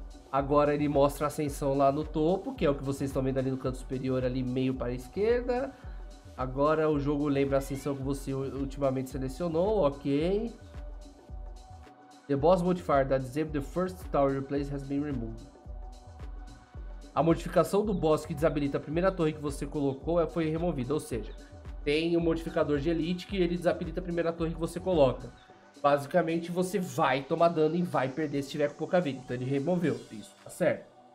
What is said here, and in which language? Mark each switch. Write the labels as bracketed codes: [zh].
[pt] Agora ele mostra a ascensão lá no topo, que é o que vocês estão vendo ali no canto superior, ali meio para a esquerda. Agora o jogo lembra a ascensão que você ultimamente selecionou, ok. [en] The boss modifier that disabled the first tower replace has been removed. [pt] A modificação do boss que desabilita a primeira torre que você colocou foi removida, ou seja, tem um modificador de elite que ele desabilita a primeira torre que você coloca. Basicamente, você vai tomar dano e vai perder se tiver com pouca vida. Então, ele removeu isso, tá certo?